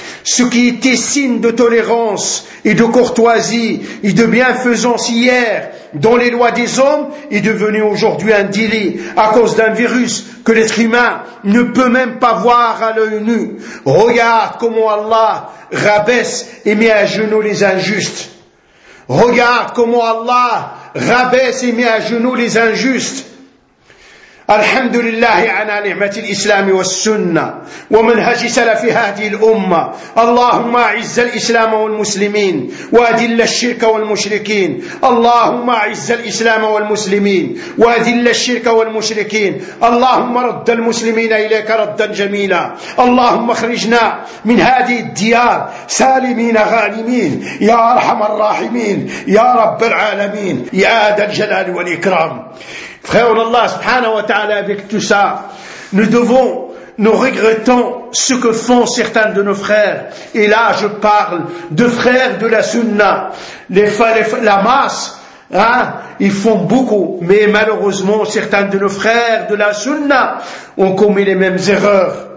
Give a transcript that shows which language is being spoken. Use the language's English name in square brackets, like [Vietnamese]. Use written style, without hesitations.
[French] Ce qui était signe de tolérance et de courtoisie et de bienfaisance hier dans les lois des hommes est devenu aujourd'hui un délit à cause d'un virus que l'être humain ne peut même pas voir à l'œil nu. Regarde comment Allah rabaisse et met à genoux les injustes. Regarde comment Allah rabaisse et met à genoux les injustes. [Arabic] الحمد لله على نعمة الإسلام والسنة ومنهج سلف هذه الأمة اللهم أعز الإسلام والمسلمين وأذل الشرك والمشركين اللهم أعز الإسلام والمسلمين وأذل الشرك والمشركين اللهم رد المسلمين إليك ردا جميلا اللهم اخرجنا من هذه الديار سالمين غانمين يا أرحم الراحمين يا رب العالمين يا ذا الجلال والإكرام. [French] Frère Allah subhanahu wa ta'ala, avec tout ça, nous regrettons ce que font certains de nos frères. Et là, je parle de frères de la sunna. La masse, hein, ils font beaucoup. Mais malheureusement, certains de nos frères de la sunna ont commis les mêmes erreurs.